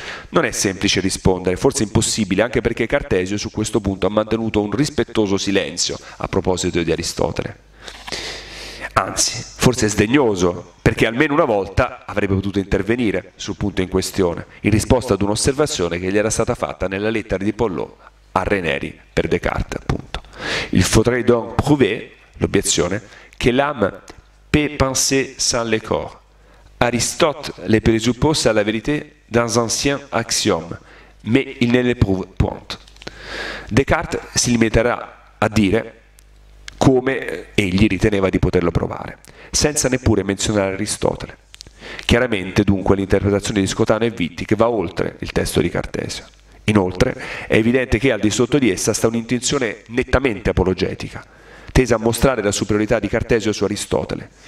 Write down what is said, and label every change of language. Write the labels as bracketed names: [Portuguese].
[Italian] Non è semplice rispondere, forse impossibile, anche perché Cartesio su questo punto ha mantenuto un rispettoso silenzio a proposito di Aristotele. Anzi, forse sdegnoso, perché almeno una volta avrebbe potuto intervenire sul punto in questione, in risposta ad un'osservazione che gli era stata fatta nella lettera di Pollot a Reneri per Descartes, appunto. [French] Il faudrait donc prouver, [Italian] l'obiezione, che [French] l'âme peut penser sans le corps. Aristote le présuppose à la vérité dans un ancien axiome, mais il ne l'éprouve point. [Italian] Descartes si limiterà a dire come egli riteneva di poterlo provare, senza neppure menzionare Aristotele. Chiaramente, dunque, l'interpretazione di Scotano e Wittig va oltre il testo di Cartesio. Inoltre, è evidente che al di sotto di essa sta un'intenzione nettamente apologetica, tesa a mostrare la superiorità di Cartesio su Aristotele.